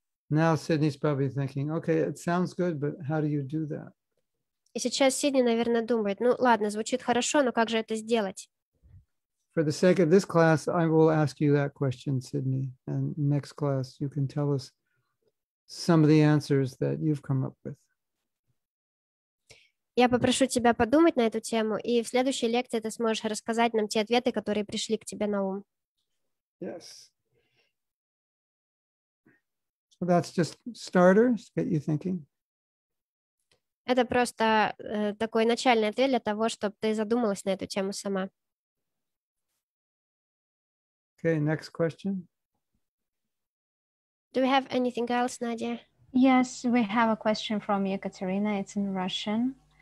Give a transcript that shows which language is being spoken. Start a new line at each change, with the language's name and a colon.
English: Now Sydney's probably thinking, okay, it sounds good, but how do you do that?
Russian: И сейчас Сидни, наверное, думает, ну ладно, звучит хорошо, но как же это сделать?
English: For the sake of this class, I will ask you that question, Sydney. And next class, you can tell us some of the answers that you've come up with.
Russian: Я попрошу тебя подумать на эту тему, и в следующей лекции ты сможешь рассказать нам те ответы, которые пришли к тебе на ум.
English: Yes. So that's just starter to get you thinking.
Russian: Это просто такой начальный ответ для того, чтобы ты задумалась на эту тему сама.
English: Okay, next question. Do we have anything else, Nadia? Yes, we have a question from Екатерина. It's in Russian.